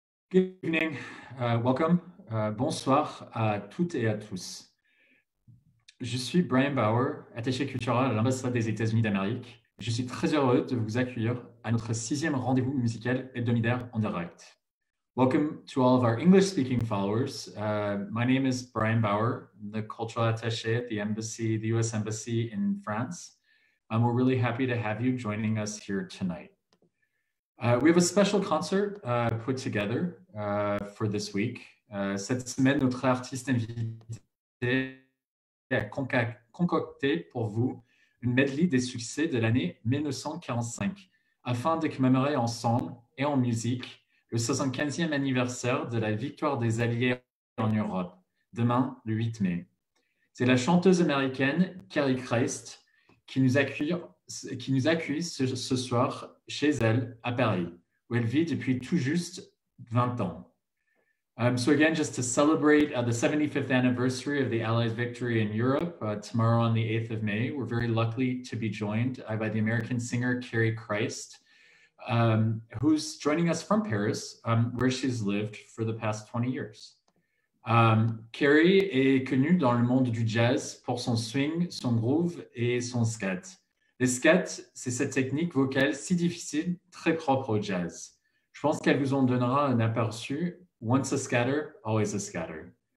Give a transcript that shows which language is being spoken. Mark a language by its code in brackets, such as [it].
[en] Good evening, welcome, [fr] bonsoir à toutes et à tous. Je suis Brian Bauer, attaché culturel à l'ambassade des États-Unis d'Amérique. Je suis très heureux de vous accueillir à notre sixième rendez-vous musical hebdomadaire en direct. [en] Welcome to all of our English-speaking followers. My name is Brian Bauer, the cultural attaché at the U.S. Embassy in France. And we're really happy to have you joining us here tonight. We have a special concert put together for this week. [fr] Cette semaine, notre artiste invité a concocté pour vous une medley des succès de l'année 1945 afin de commémorer ensemble et en musique le 75e anniversaire de la victoire des Alliés en Europe, demain le 8 mai. C'est la chanteuse américaine Carrie Christ qui nous accueille ce soir chez elle à Paris, où elle vit depuis tout juste 20 ans. [en] So again, just to celebrate the 75th anniversary of the Allies' victory in Europe, tomorrow on the 8th of May, we're very lucky to be joined by the American singer Carrie Christ, who's joining us from Paris, where she's lived for the past 20 years. [fr] Carrie est connue dans le monde du jazz pour son swing, son groove et son scat. Le scat, c'est cette technique vocale si difficile, très propre au jazz. Je pense qu'elle vous en donnera un aperçu. [en] Once a scatter, always a scatter.